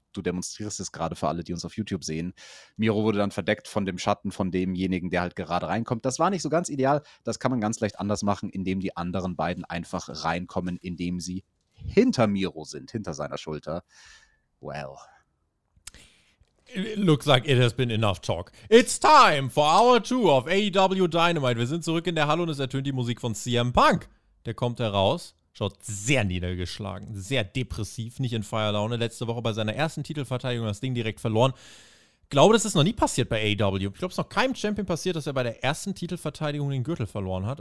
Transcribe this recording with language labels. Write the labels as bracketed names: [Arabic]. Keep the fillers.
[German] Du demonstrierst es gerade für alle, die uns auf YouTube sehen. Miro wurde dann verdeckt von dem Schatten von demjenigen, der halt gerade reinkommt. Das war nicht so ganz ideal. Das kann man ganz leicht anders machen, indem die anderen beiden einfach reinkommen, indem sie hinter Miro sind, hinter seiner Schulter. [English] Well. It looks like it has been enough talk. It's time for hour two of AEW Dynamite. [German] Wir sind zurück in der Halle und es ertönt die Musik von CM Punk. Der kommt heraus, schaut sehr niedergeschlagen, sehr depressiv, nicht in Feierlaune. Letzte Woche bei seiner ersten Titelverteidigung das Ding direkt verloren. Glaube, das ist noch nie passiert bei AEW. Ich glaube, es ist noch keinem Champion passiert, dass er bei der ersten Titelverteidigung den Gürtel verloren hat.